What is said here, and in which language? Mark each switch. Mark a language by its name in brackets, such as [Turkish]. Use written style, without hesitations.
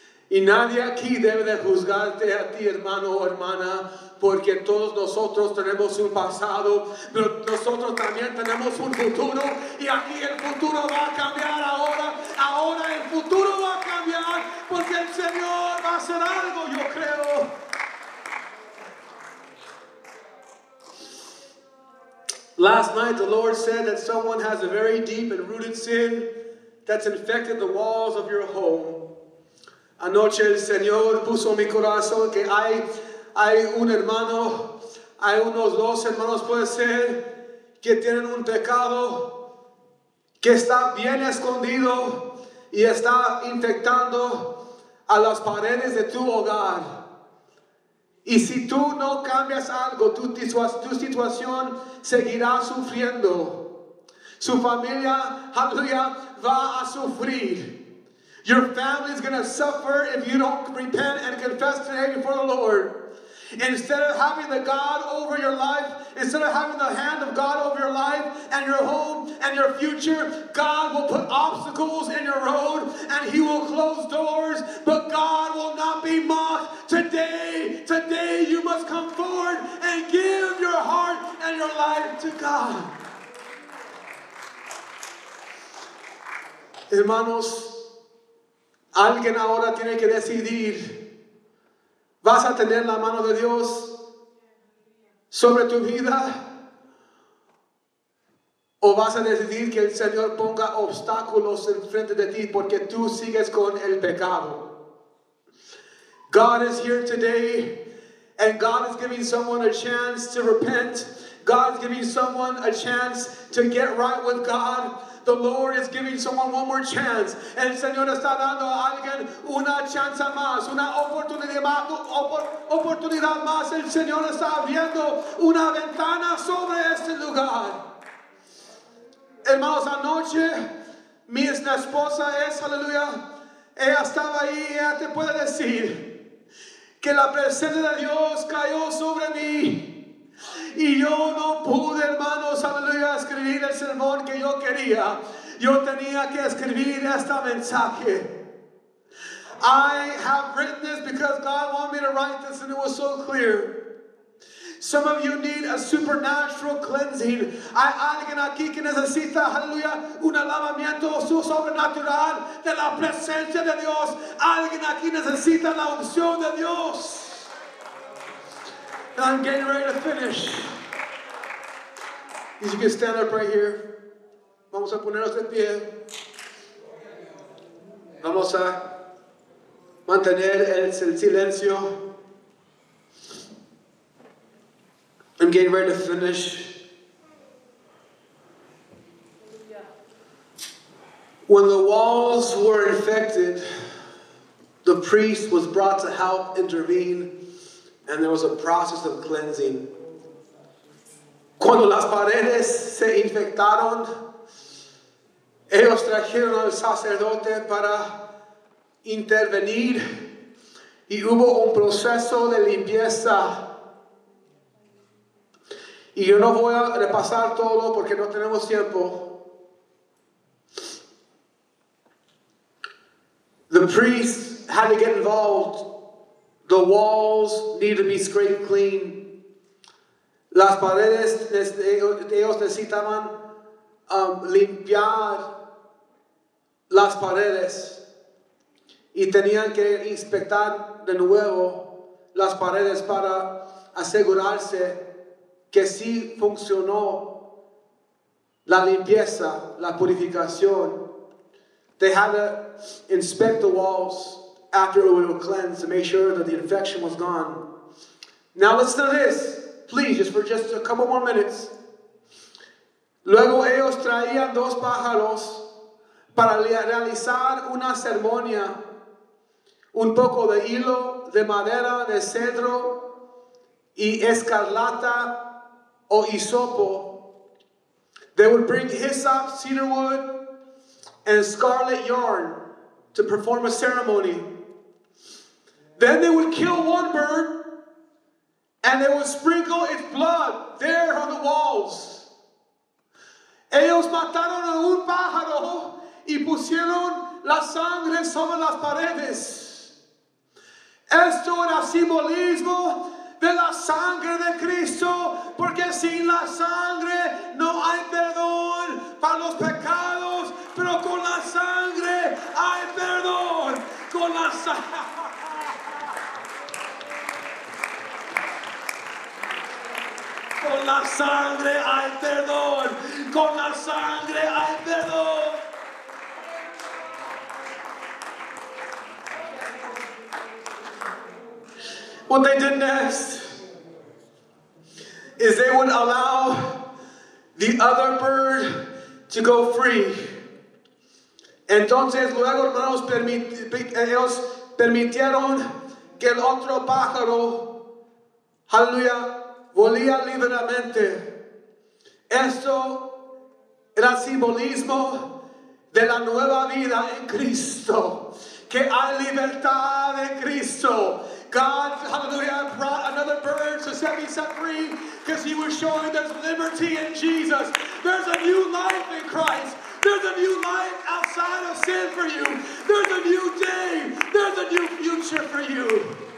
[Spanish] Y nadie aquí debe de juzgarte a ti, hermano o hermana, porque todos nosotros tenemos un pasado, pero nosotros también tenemos un futuro, y aquí el futuro va a cambiar ahora. Ahora el futuro va a cambiar porque el Señor va a hacer algo, yo creo. [English] Last night the Lord said that someone has a very deep and rooted sin that's infected the walls of your home. [Spanish] Anoche el Señor puso en mi corazón que hay un hermano, hay unos dos hermanos puede ser, que tienen un pecado que está bien escondido y está infectando a las paredes de tu hogar. Y si tú no cambias algo, tu situación seguirá sufriendo. Su familia, aleluya, va a sufrir. [English] Your family is going to suffer if you don't repent and confess today before the Lord. Instead of having the God over your life, instead of having the hand of God over your life and your hope and your future, God will put obstacles in your road and he will close doors, but God will not be mocked. Today you must come forward and give your heart and your life to God. [Spanish] Hermanos, alguien ahora tiene que decidir. ¿Vas a tener la mano de Dios sobre tu vida? ¿O vas a decidir que el Señor ponga obstáculos en frente de ti porque tú sigues con el pecado? [English] God is here today, and God is giving someone a chance to repent. God is giving someone a chance to get right with God. The Lord is giving someone one more chance. [Spanish] El Señor está dando a alguien una chance más, una oportunidad más, oportunidad más. El Señor está abriendo una ventana sobre este lugar. Hermanos, anoche, mi esposa es, aleluya, ella estaba ahí, ella te puede decir que la presencia de Dios cayó sobre mí. Y yo no pude, hermanos, aleluya, escribir el sermón que yo quería. Yo tenía que escribir este mensaje. [English] I have written this because God wanted me to write this and it was so clear. Some of you need a supernatural cleansing. [Spanish] Hay alguien aquí que necesita, aleluya, un lavamiento sobrenatural de la presencia de Dios. Alguien aquí necesita la unción de Dios. [English] And I'm getting ready to finish. If you can stand up right here. [Spanish] Vamos a ponernos de pie. Vamos a mantener el silencio. [English] I'm getting ready to finish. When the walls were infected, the priest was brought to help intervene. And there was a process of cleansing. [Spanish] Cuando las paredes se infectaron, ellos trajeron al sacerdote para intervenir y hubo un proceso de limpieza. Y yo no voy a repasar todo porque no tenemos tiempo. [English] The priest had to get involved. The walls need to be scraped clean. [Spanish] Las paredes, ellos necesitaban limpiar las paredes. Y tenían que inspectar de nuevo las paredes para asegurarse que sí funcionó la limpieza, la purificación. [English] They had to inspect the walls after we were cleansed to make sure that the infection was gone. Now listen to this, please, just for just a couple more minutes. [Spanish] Luego ellos traían dos pájaros para realizar una ceremonia, un poco de hilo, de madera, de cedro y escarlata o hisopo. [English] They would bring hyssop, cedar wood, and scarlet yarn to perform a ceremony. Then they would kill one bird and they would sprinkle its blood there on the walls. [Spanish] Ellos mataron a un pájaro y pusieron la sangre sobre las paredes. Esto era simbolismo de la sangre de Cristo, porque sin la sangre no hay perdón para los pecados, pero con la sangre hay perdón. Con la sangre. Con la sangre hay perdón. Con la sangre hay perdón. [English] What they did next is they would allow the other bird to go free. [Spanish] Entonces luego hermanos ellos permitieron que el otro pájaro, aleluya, volía libremente. Esto era simbolismo de la nueva vida en Cristo, que hay libertad en Cristo. [English] God, hallelujah, brought another bird to set me set free, because he was showing there's liberty in Jesus. There's a new life in Christ. There's a new life outside of sin for you. There's a new day. There's a new future for you.